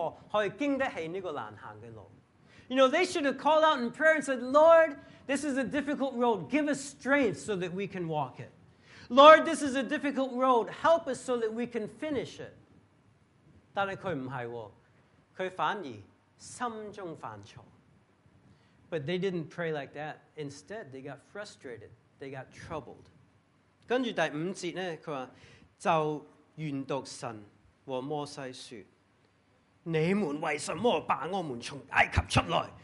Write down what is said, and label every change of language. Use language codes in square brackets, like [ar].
[zh] 给我们力量经过,可以经得起这个难行的路。 [en] You know, they should have called out in prayer and said, Lord, this is a difficult road. Give us strength so that we can walk it. Lord, this is a difficult road. Help us so that we can finish it. [zh] 但是他不是,他反而心中烦躁。 [en] But they didn't pray like that. Instead, they got frustrated. They got troubled. [zh] 接着第五节呢,他说,就原读神和摩西说, 你们为什么把我们从埃及出来?